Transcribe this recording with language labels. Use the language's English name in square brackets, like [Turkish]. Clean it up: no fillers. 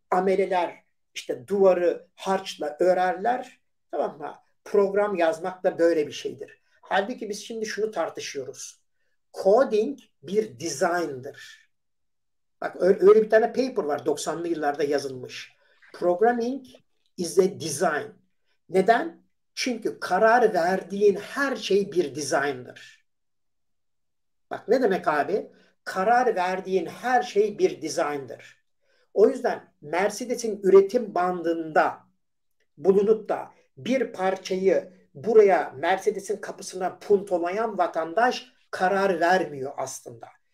[Turkish] Ameleler işte duvarı harçla örerler. Tamam mı? Program yazmak da böyle bir şeydir. Halbuki biz şimdi şunu tartışıyoruz. Coding bir design'dır. Bak öyle bir tane paper var 90'lı yıllarda yazılmış. [English] Programming is a design. [Turkish] Neden? Çünkü karar verdiğin her şey bir design'dır. Bak ne demek abi? Karar verdiğin her şey bir design'dır. O yüzden Mercedes'in üretim bandında bulunup da bir parçayı buraya Mercedes'in kapısına puntolayan vatandaş karar vermiyor aslında.